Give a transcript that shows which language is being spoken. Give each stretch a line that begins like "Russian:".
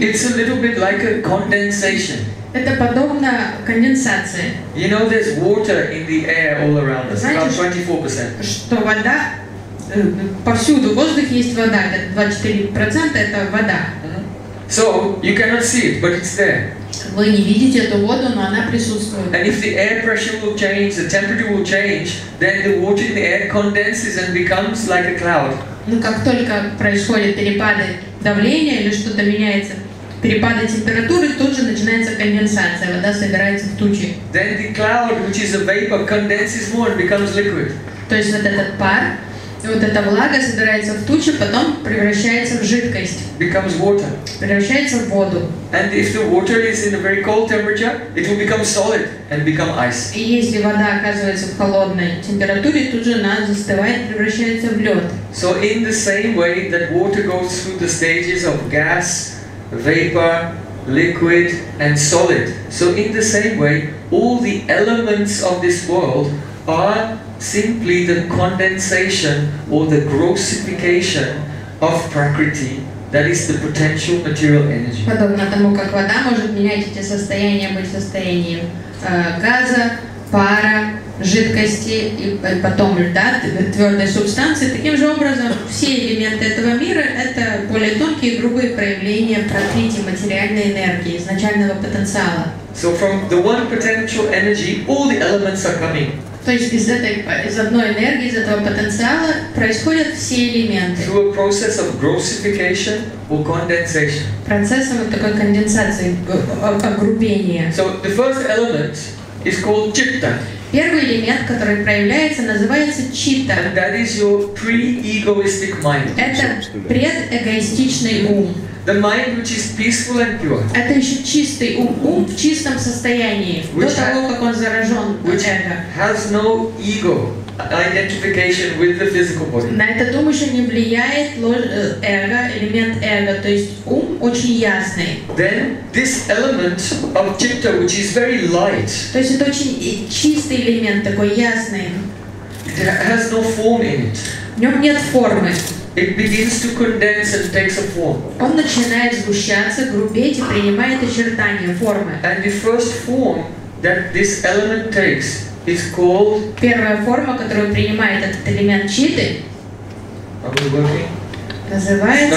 English: It's a little bit like a condensation.
Russian: Это подобно конденсации.
English: You know, there's water in the air all around us,
Russian: знаете,
English: about 24%.
Russian: Что вода повсюду, в воздухе есть вода, 24% это вода.
English: So you cannot see it, but it's there.
Russian: Вы не видите эту воду, но она присутствует.
English: And if the air pressure will change, the temperature will change, then the water in the air condenses and becomes like a cloud.
Russian: Ну как только происходят перепады давления или что-то меняется, перепады температуры, тут же начинается конденсация, вода собирается в тучи.
English: Then the cloud, which is a vapor, condenses more and becomes liquid.
Russian: То есть вот этот пар, вот эта влага собирается в тучи, потом превращается в жидкость.
English: Becomes water.
Russian: Превращается в воду.
English: And if the water is in a very cold temperature, it will become solid and become ice.
Russian: И если вода оказывается в холодной температуре, тут же она застывает, превращается в лед.
English: So in the same way that water goes through the stages of gas, vapor, liquid, and solid, so in the same way, all the elements of this world are simply the condensation or the grossification of prakriti, that is the potential material energy.
Russian: Подобно тому, как вода может менять эти состояния, быть состоянием газа, пара, жидкости и потом льда, твердой субстанции, таким же образом все элементы этого мира — это более тонкие и грубые проявления прокрити, материальной энергии, изначального потенциала.
English: So from the one potential energy, all the elements are coming.
Russian: То есть из одной энергии, из этого потенциала происходят все элементы.
English: Through a process of grossification or condensation.
Russian: Процессом вот такой конденсации, огрубения.
English: So the first element is called citta.
Russian: Первый элемент, который проявляется, называется citta.
English: And that is your pre-egoistic mind.
Russian: Это предэгоистичный ум.
English: The mind which is peaceful and pure.
Russian: Это еще чистый ум, ум в чистом состоянии,
English: which
Russian: до того, как он заражен.
English: Which has no ego identification with the physical body.
Russian: На этот ум еще не влияет эго, элемент эго, то есть ум очень ясный.
English: Then this element of citta, which is very light.
Russian: То есть это очень чистый элемент, такой ясный.
English: It has no form in it.
Russian: В нем нет формы.
English: It begins to condense and takes a form.
Russian: Он начинает сгущаться, грубеть и принимает очертания, формы.
English: And the first form that this element takes is called.
Russian: Первая форма, которую принимает этот элемент читы, называется.